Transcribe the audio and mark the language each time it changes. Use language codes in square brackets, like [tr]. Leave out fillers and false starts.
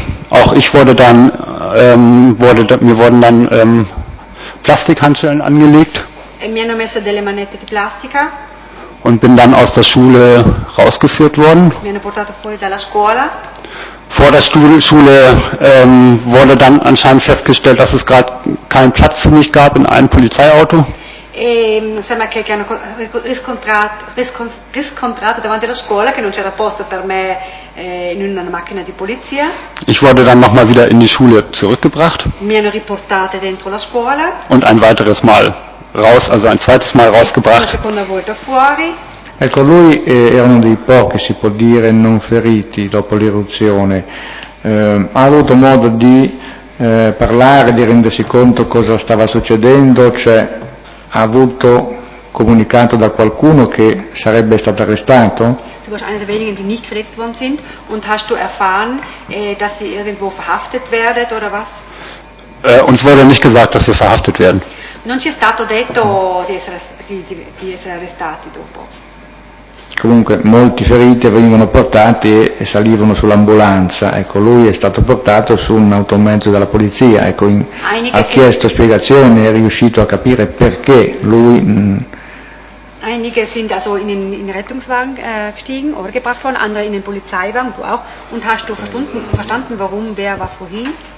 [de] Auch ich wurde dann, mir wurden dann Plastikhandschellen angelegt. [it] E mi hanno messo delle manette di plastica. [de] Und bin dann aus der Schule rausgeführt worden. [it] Mi hanno portato fuori dalla scuola. [de] Vor der Schule wurde dann anscheinend festgestellt, dass es gerade keinen Platz für mich gab in einem Polizeiauto. [it] E sembra che hanno riscontrato davanti alla scuola che non c'era posto per me in una macchina di polizia. [de] Ich wurde dann nochmal wieder in die Schule zurückgebracht. [it] Mi hanno riportato dentro la scuola. [de] Und ein weiteres Mal raus, also ein zweites Mal rausgebracht. [it] Una seconda volta fuori. Ecco, lui era uno dei pochi, si può dire, non feriti dopo l'eruzione. Ha avuto modo di parlare, di rendersi conto cosa stava succedendo, cioè ha avuto comunicato da qualcuno che sarebbe stato arrestato? [de] Tu warst einer der wenigen, die nicht verletzt worden sind, und hast du erfahren, dass sie irgendwo verhaftet werdet oder was? Uns wurde nicht gesagt, dass wir verhaftet werden. [it] Non ci è stato detto di essere arrestati dopo. Comunque molti feriti venivano portati e salivano sull'ambulanza. Ecco, lui è stato portato su un automezzo della polizia. Ecco, ha chiesto spiegazioni e è riuscito a capire perché lui. [de] Einige sind also in den Rettungswagen gestiegen oder gebracht worden, andere in den Polizeiwagen, du auch. Und hast du verstanden, warum, wer, was, wohin?